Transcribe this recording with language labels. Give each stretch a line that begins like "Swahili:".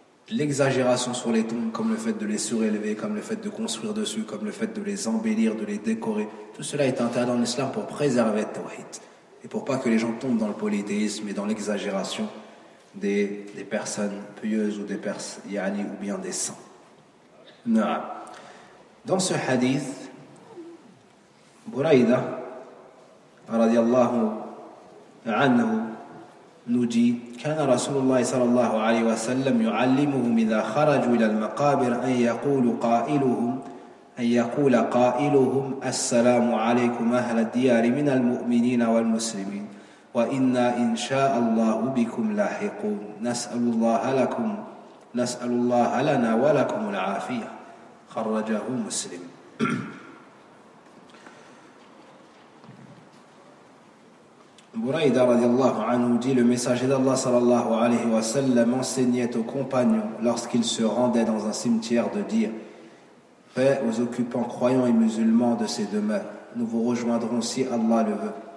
French: L'exagération sur les tombes, comme le fait de les surélever, comme le fait de construire dessus, comme le fait de les embellir, de les décorer, tout cela est interdit dans l'islam pour préserver le tawhid. Et pour pas que les gens tombent dans le polythéisme et dans l'exagération des personnes pieuses ou des yani, ou bien des saints. Non. Dans ce hadith, Buraïda, radiallahu anhu, nous dit
Arabic: « كان رسول الله صلى الله عليه وسلم يعلمهم إذا خرجوا إلى المقابر أن يقول قائلهم أن يقول قائلهم السلام عليكم أهل الديار من المؤمنين والمسلمين وإنا إن شاء الله بكم لاحقون نسأل الله لنا ولكم العافية خرجه مسلم.
French: Buraïda radiallahu anhu dit, le messager d'Allah sallallahu alayhi wa sallam enseignait aux compagnons lorsqu'ils se rendaient dans un cimetière de dire: paix aux occupants croyants et musulmans de ces demeures, nous vous rejoindrons si Allah le veut.